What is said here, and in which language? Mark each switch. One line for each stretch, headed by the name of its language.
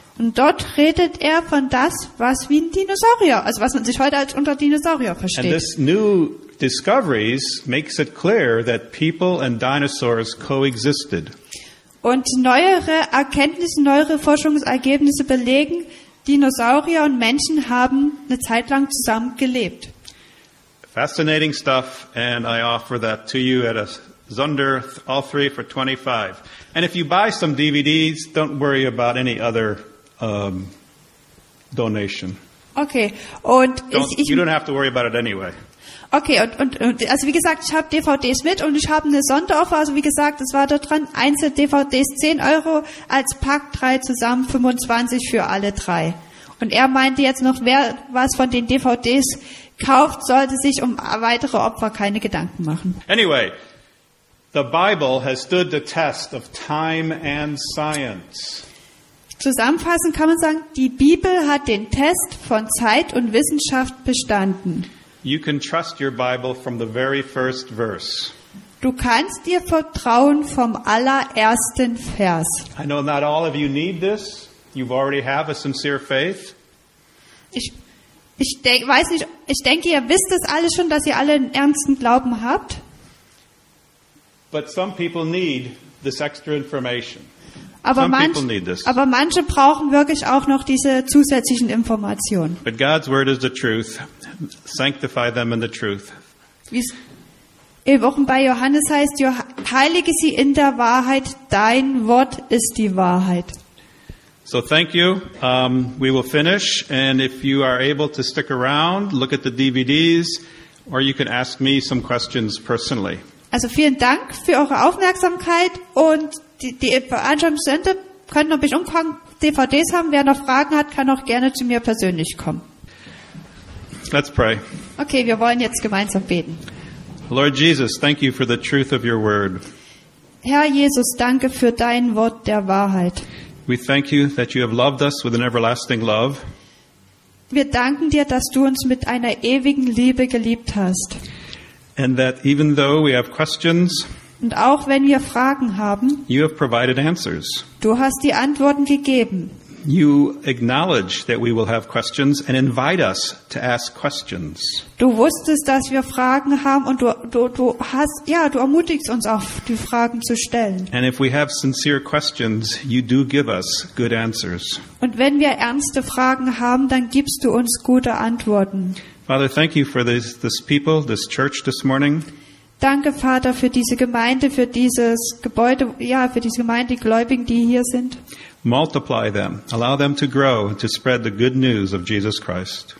German: Und dort redet er von das, was wie ein Dinosaurier, also was man sich heute als unter Dinosaurier versteht.
English: And this new discoveries makes it clear that people and dinosaurs coexisted.
German: Und neuere Erkenntnisse, neuere Forschungsergebnisse belegen, Dinosaurier und Menschen haben eine Zeit lang zusammen gelebt.
English: Fascinating stuff, and I offer that to you at a Zunder, all three for 25. And if you buy some DVDs, don't worry about any other donation.
German: Okay, und
English: you don't have to worry about it anyway.
German: Okay, und also wie gesagt, ich habe DVDs mit und ich habe eine Sonderoffer. Also wie gesagt, es war dort dran, einzelne DVDs 10 Euro, als Pack 3 zusammen 25 für alle drei. Und er meinte jetzt noch, wer was von den DVDs kauft, sollte sich um weitere Opfer keine Gedanken machen.
English: Anyway, the Bible has stood the test of time and science.
German: Zusammenfassend kann man sagen, die Bibel hat den Test von Zeit und Wissenschaft bestanden.
English: You can trust your Bible from the very first verse.
German: Du kannst dir vertrauen vom allerersten Vers.
English: I know not all of you need this. You've already have a sincere faith.
German: Ich denke, ihr wisst es alle schon, dass ihr alle einen ernsten Glauben habt.
English: But some people need this extra information.
German: Aber manche brauchen wirklich auch noch diese zusätzlichen Informationen.
English: But God's word is the truth. Sanctify them in the truth.
German: Wie es im Wochen bei Johannes heißt, heilige sie in der Wahrheit, dein Wort ist die Wahrheit.
English: So thank you. We will finish. And if you are able to stick around, look at the DVDs, or you can ask me some questions personally.
German: Also vielen Dank für eure Aufmerksamkeit, und die Veranstaltungsende können noch ein bisschen DVDs haben. Wer noch Fragen hat, kann auch gerne zu mir persönlich kommen.
English: Let's pray.
German: Okay, wir wollen jetzt gemeinsam beten.
English: Lord Jesus, thank you for the truth of your word.
German: Herr Jesus, danke für dein Wort der Wahrheit.
English: We thank you that you have loved us with an everlasting love.
German: Wir danken dir, dass du uns mit einer ewigen Liebe geliebt hast.
English: And that even though we have questions,
German: und auch wenn wir Fragen haben,
English: you have provided answers.
German: Du hast die Antworten gegeben.
English: You acknowledge that we will have questions and invite us to ask questions.
German: Du wusstest, dass wir Fragen haben, und du ermutigst uns auch, die Fragen zu stellen.
English: And if we have sincere questions, you do give us good answers.
German: Und wenn wir ernste Fragen haben, dann gibst du uns gute Antworten.
English: Father, thank you for this people, this church this morning.
German: Danke, Vater, für diese Gemeinde, für dieses Gebäude, für diese Gemeinde, die Gläubigen, die hier sind.
English: Multiply them, allow them to grow and to spread the good news of Jesus Christ.